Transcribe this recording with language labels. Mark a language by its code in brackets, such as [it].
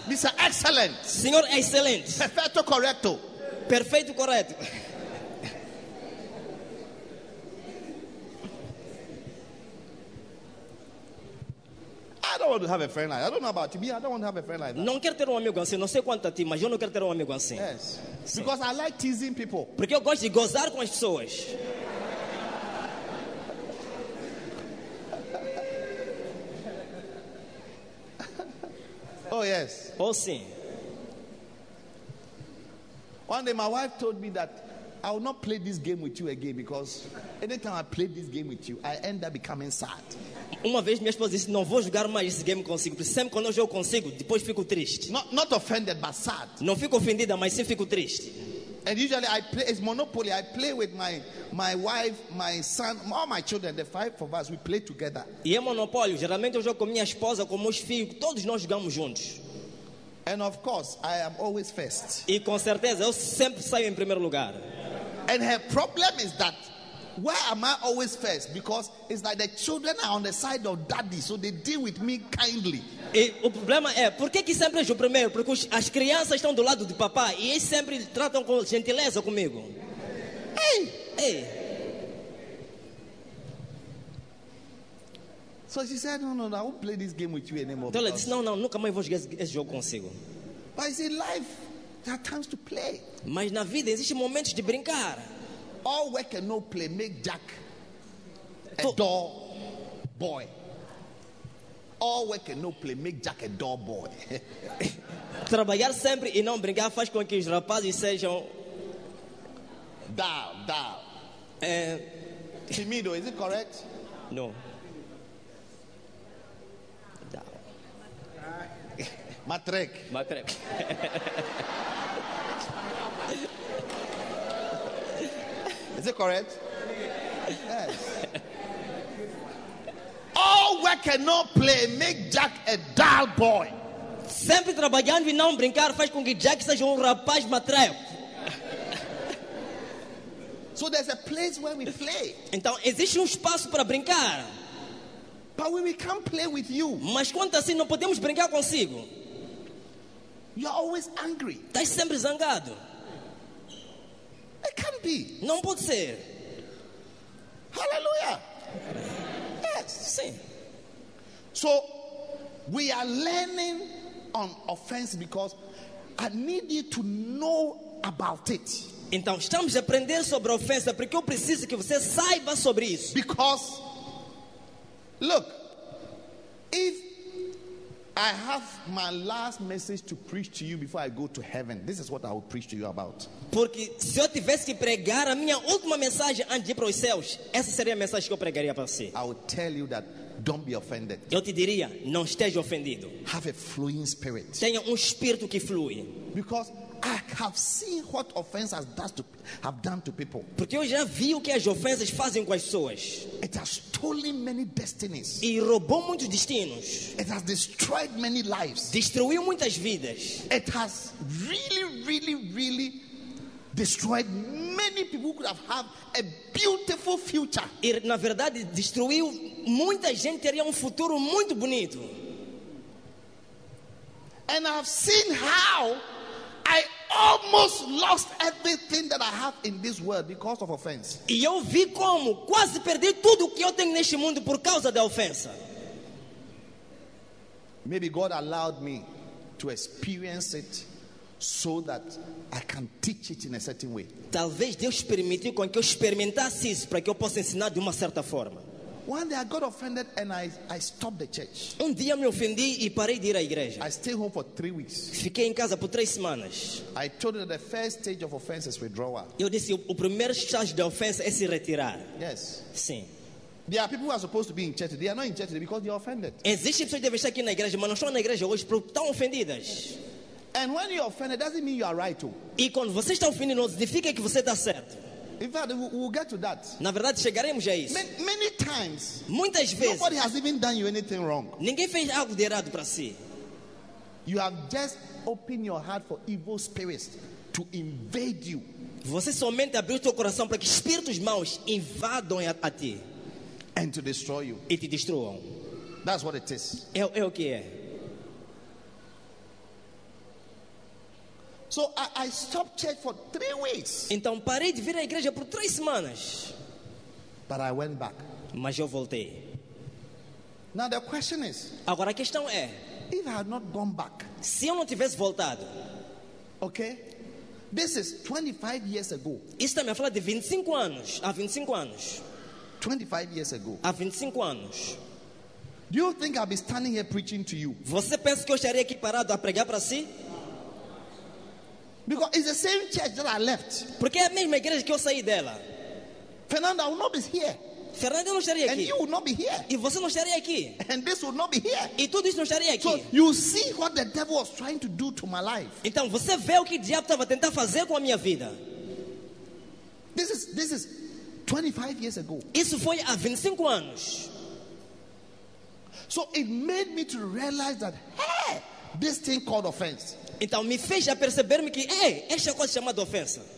[en] Mr. Excellent. [pt] Senhor excelente. Perfeito correto. Perfeito correto. [en] I don't want to have a friend like that. I don't know about you. Me, I don't want to have a friend like that. [pt] Não quero ter um amigo assim. Não sei quanto a ti, mas eu não quero ter um amigo assim. [en] Yes. Sim. Because I like teasing people. [pt] Porque eu gosto de gozar com as pessoas. [en] Oh, yes. [pt] Oh, sim. [en] One day my wife told me that I will not play this game with you again because anytime I play this game with you, I end up becoming sad. [pt] Uma vez minha esposa disse, não vou jogar mais esse game consigo, porque sempre quando eu jogo consigo, depois fico triste. [en] Not offended, but sad. [pt] Não fico ofendida, mas sim fico triste. [en] And usually I play, it's Monopoly, I play with my wife, my son, all my children, the five of us, we play together. [pt] E é Monopoly, geralmente eu jogo com minha esposa, com meus filhos, todos nós jogamos juntos. [en] And of course, I am always first. [pt] E com certeza, eu sempre saio em primeiro lugar. [en] And her problem is that, why am I always first? Because it's like the children are on the side of daddy, so they deal with me kindly. [pt] E o problema é, por que sempre eu sou primeiro? Porque as crianças estão do lado do papá e eles sempre tratam com gentileza comigo. Hey! Hey! [en] So she said, no, I won't play this game with you anymore. [pt] Então ela disse, não, nunca mais vou jogar esse jogo consigo. [en] But it's in life, there are times to play. [pt] Mas na vida existem momentos de brincar. [en] All work and no play make Jack a dull boy. All work and no play make Jack a dull boy. [pt] Trabalhar sempre e não brincar faz com que os rapazes sejam [en] dull. Timido, is it correct? No. Matrek. Is it correct? Yes. All work and no play make Jack a dull boy. [pt] Sempre trabalhando e não brincar faz com que Jack seja rapaz matreco. [en] So there's a place where we play. [pt] Então existe espaço para brincar. [en] But when we can't play with you. [pt] Mas quando assim não podemos brincar consigo. [en] You're always angry. [pt] Estás sempre zangado. [en] It can't be. [pt] Não pode ser. [en] Hallelujah. Yes, sim. So, we are learning on offense because I need you to know about it. [pt] Então, estamos a aprender sobre a ofensa porque eu preciso que você saiba sobre isso. [en] Because, look, if I have my last message to preach to you before I go to heaven. This is what I will preach to you about. [pt] Porque se eu tivesse que pregar a minha última mensagem antes de ir para os céus, essa seria a mensagem que eu pregaria para você. [en] I will tell you that don't be offended. [pt] Eu te diria, não esteja ofendido. [en] Have a flowing spirit. [pt] Tenha espírito que flui. [en] Because I have seen what offense have done to people. [pt] Porque eu já vi o que as ofensas fazem com as pessoas. [en] It has stolen many destinies. [pt] E roubou muitos destinos. [en] It has destroyed many lives. [pt] Destruiu muitas vidas. [en] It has really, really, really destroyed many people who could have had a beautiful future. [pt] E na verdade destruiu muita gente, teria futuro muito bonito. [en] And I've seen how I almost lost everything that I have in this world because of offense. [pt] E eu vi como quase perdi tudo que eu tenho neste mundo por causa da ofensa. [en] Maybe God allowed me to experience it so that I can teach it in a certain way. [pt] Talvez Deus permitiu com que eu experimentasse isso para que eu possa ensinar de uma certa forma. [en] One day I got offended and I stopped the church. [pt] Um dia me ofendi e parei de ir à igreja. [en] I stayed home for 3 weeks. [pt] Fiquei em casa por 3 semanas. [en] I told her the first stage of offense is withdrawal. [pt] Eu disse o primeiro estágio da ofensa é se retirar. [en] Yes. [pt] Sim. [en] There are people who are supposed to be in church today. They are not in church today because they are offended. [pt] Existem pessoas que devem estar aqui na igreja, mas não estão na igreja hoje porque estão ofendidas. [en] And when you're offended, doesn't mean you are right. [pt] E quando você está ofendido, não significa que você está certo. [en] In fact, we'll get to that. [pt] Na verdade, chegaremos a isso. [en] Many times, [pt] muitas vezes, [en] nobody has even done you anything wrong. [pt] Ninguém fez algo de errado para si. [en] You have just opened your heart for evil spirits to invade you. [pt] Você somente abriu seu coração para que espíritos maus invadam a ti. [en] And to destroy you. [pt] E te destruam. [en] That's what it is. [pt] É o que é. [en] So I stopped church for 3 weeks. [pt] Então parei de vir à igreja por 3 semanas. [en] But I went back. [pt] Mas eu voltei. [en] Now the question is. [pt] Agora a questão é. [en] If I had not gone back. [pt] Se eu não tivesse voltado. [en] Okay. This is 25 years ago. [pt] Isso também fala de 25 anos. Há 25 anos. [en] 25 years ago. [pt] Há 25 anos. [en] Do you think I'll be standing here preaching to you? [pt] Você pensa que eu estaria aqui parado a pregar para si? [en] Because it's the same church that I left. [pt] Porque é a mesma igreja que eu saí dela. [en] Fernanda will not be here. [pt] Fernanda não estaria aqui. [en] And you will not be here. [pt] E você não estaria aqui. [en] And this will not be here. [pt] E tudo isso não estaria aqui. [en] So you see what the devil was trying to do to my life. [pt] Então você vê o que o diabo estava tentando fazer com a minha vida. [en] This is 25 years ago. [pt] Isso foi há 25 anos. [en] So it made me to realize that hey, this thing called offense. [pt] Então me fez a perceber-me que é esta coisa chamada ofensa.